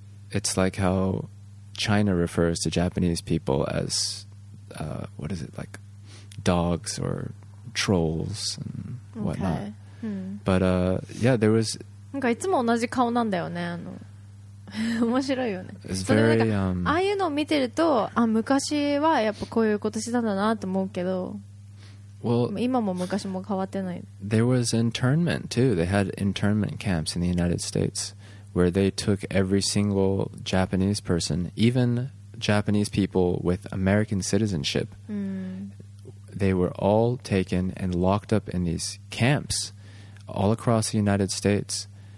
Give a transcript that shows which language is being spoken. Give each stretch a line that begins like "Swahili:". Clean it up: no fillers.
English: It's like how China refers to Japanese people as what is it like dogs or trolls and whatnot. Okay. But yeah, there was
Japanese: なんかいつも同じ顔なんだよね。あの面白いよね。
English: It's very,
Japanese: ああいうのを見てるとあ昔はやっぱこういうことしたんだなと思うけど。
English: Well,
Japanese: 今も昔も変わってない。
English: There was internment too. They had internment camps in the United States where they took every single Japanese person, even Japanese people with American citizenship. They were all taken and locked up in these camps all across the United States.